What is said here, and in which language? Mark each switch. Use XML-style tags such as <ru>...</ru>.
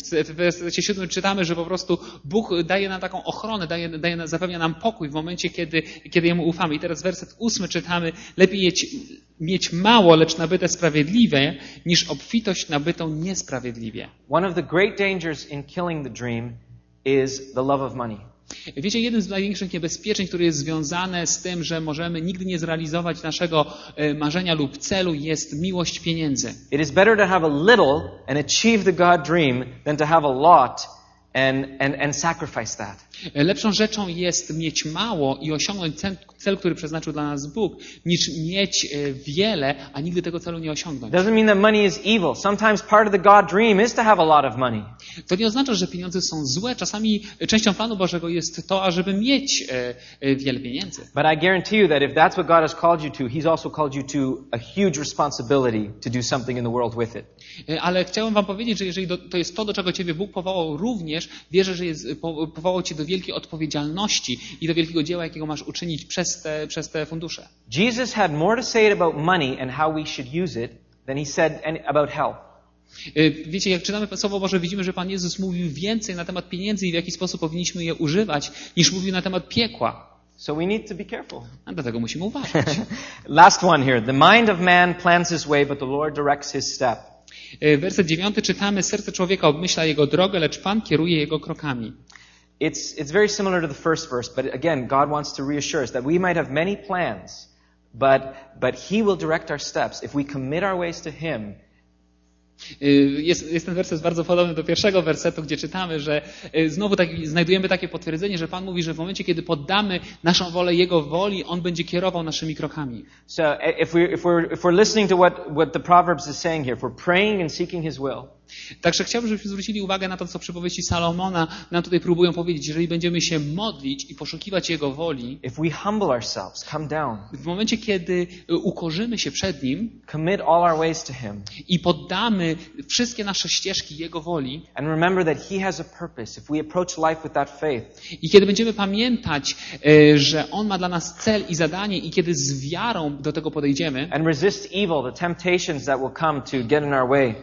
<pl>W wersecie 7 czytamy, że po prostu Bóg daje nam taką ochronę, daje, zapewnia nam pokój w momencie, kiedy Jemu ufamy. I teraz werset 8 czytamy, lepiej mieć mało, lecz nabyte sprawiedliwe, niż obfitość nabytą niesprawiedliwie.</pl> <en>One of the great dangers in killing the dream is the love of money.</en> <pl>Wiecie, jeden z największych niebezpieczeń, które jest związane z tym, że możemy nigdy nie zrealizować naszego marzenia lub celu, jest miłość pieniędzy.</pl> <en>It is better to have a little and achieve the God dream than to have a lot and sacrifice that.</en> <pl>Lepszą rzeczą jest mieć mało i osiągnąć cel, który przeznaczył dla nas Bóg, niż mieć wiele, a nigdy tego celu nie osiągnąć.</pl> <en>Doesn't mean that money is evil. Sometimes part of the God dream is to have a lot of money.</en> <pl>To nie oznacza, że pieniądze są złe. Czasami częścią planu Bożego jest to, ażeby mieć wiele pieniędzy.</pl> <en>But I guarantee you that if that's what God has called you to, He's also called you to a huge responsibility to do something in the world with it.</en> <pl>Ale chciałem wam powiedzieć, że jeżeli to jest to, do czego Ciebie Bóg powołał, również wierzę, że powołał Cię do wielkiej odpowiedzialności i do wielkiego dzieła, jakiego masz uczynić przez te fundusze.</pl> <en>Jesus had more to say about money and how we should use it than he said about health.</en> <pl>Wiecie, jak czytamy Słowo Boże, widzimy, że Pan Jezus mówił więcej na temat pieniędzy i w jaki sposób powinniśmy je używać, niż mówił na temat piekła.</pl> <en>So we need to be careful.</en> <pl>A dlatego musimy uważać.</pl> <en>Last one here. The mind of man plans his way, but the Lord directs his step.</en> <pl>Werset 9 czytamy, serce człowieka obmyśla jego drogę, lecz Pan kieruje jego krokami.</pl> <en>It's very similar to the first verse, but again, God wants to reassure us that we might have many plans, but He will direct our steps if we commit our ways to Him.</en> <pl>Jest ten werset bardzo podobny do pierwszego wersetu, gdzie czytamy, że znowu znajdujemy takie potwierdzenie, że Pan mówi, że w momencie, kiedy poddamy naszą wolę Jego woli, On będzie kierował naszymi krokami.</pl> <en>So if we're listening to what the Proverbs is saying here, if we're praying and seeking His will.</en> <pl>Także chciałbym, żebyśmy zwrócili uwagę na to, co przypowieści Salomona nam tutaj próbują powiedzieć. Jeżeli będziemy się modlić i poszukiwać Jego woli,</pl> <en>if we humble ourselves, come down,</en> <pl>w momencie, kiedy ukorzymy się przed Nim,</pl> <en>commit all our ways to Him,</en> <pl>i poddamy wszystkie nasze ścieżki Jego woli,</pl> <en>and remember that He has a purpose, if we approach life with that faith,</en> <pl>i kiedy będziemy pamiętać, że On ma dla nas cel i zadanie, i kiedy z wiarą do tego podejdziemy,</pl> <en>and resist evil, the temptations that will come to get in our way,</en>